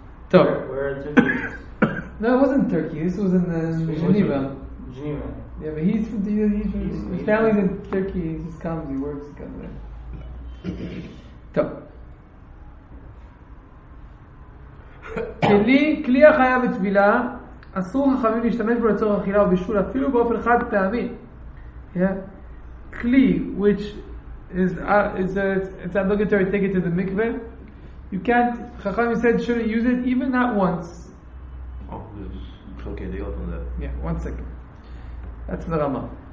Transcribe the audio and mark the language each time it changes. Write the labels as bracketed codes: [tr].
[en] So. Where are Turkey? No, it wasn't Turkey. This was in Geneva. Yeah, but he's from the his family's in Turkey, he just comes, he works, kind of there. So. [he] כלי החייב בטבילה, אסור חכמים להשתמש בו לצורך אכילה או בישול, אפילו באופן חד פעמי. [en] כלי, which is, it's obligatory to take it to the mikveh, you can't, חכמים said, shouldn't use it even not once. Oh, there's chokei deot on that. Yeah, one second. That's the Rama.